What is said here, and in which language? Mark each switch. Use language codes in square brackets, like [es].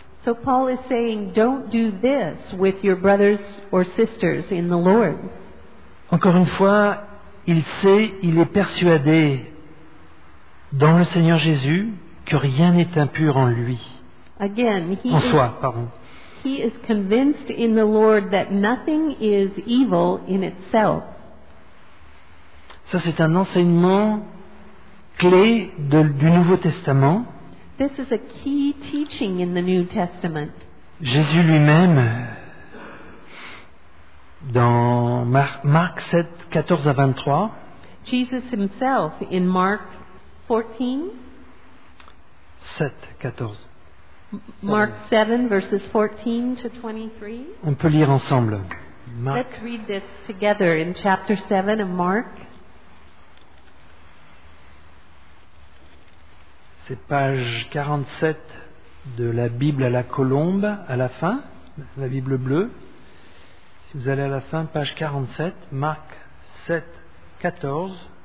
[en] So Paul is saying, don't do this with your brothers or sisters in the Lord. [fr] Encore une fois, il sait, il est persuadé dans le Seigneur Jésus que rien n'est impur en lui. [en] Again, he is convinced in the Lord that nothing is evil in itself. [fr] Ça, c'est un enseignement clé du Nouveau Testament. [en] This is a key teaching in the New Testament. [fr] Jésus lui-même, dans Marc 7, 14 à 23, [en] Jesus himself in Mark 14, 7, 14. Mark 7, verses 14 to 23. [fr] On peut lire ensemble. [en] Mark. Let's read this together in chapter 7 of Mark. [fr] C'est page 47 de la Bible à la colombe, à la fin, la Bible bleue. Si vous allez à la fin, page 47, Marc 7, 14.